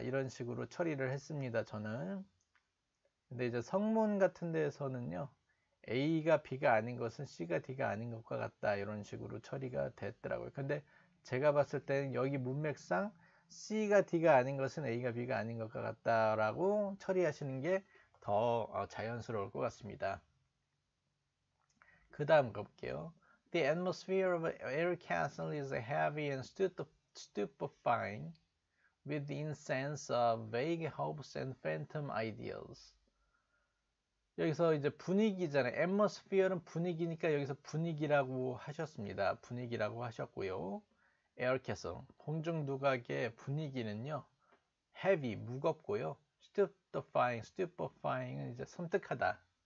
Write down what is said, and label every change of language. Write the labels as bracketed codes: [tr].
[ko] 이런 식으로 처리를 했습니다, 저는. 근데 이제 성문 같은 데에서는요, A가 B가 아닌 것은 C가 D가 아닌 것과 같다. 이런 식으로 처리가 됐더라고요. 근데 제가 봤을 때는 여기 문맥상 C가 D가 아닌 것은 A가 B가 아닌 것과 같다라고 처리하시는 게더 자연스러울 것 같습니다. 그 다음 가볼게요. [en] The atmosphere of Air Castle is heavy and stupefying with the incense of vague hopes and phantom ideals. [ko] 여기서 이제 분위기잖아요. Atmosphere는 분위기니까 여기서 분위기라고 하셨습니다. 분위기라고 하셨고요. 에어캐슬, 공중 누각의 분위기는요, heavy, 무겁고요, stupefying은 이제 섬뜩하다.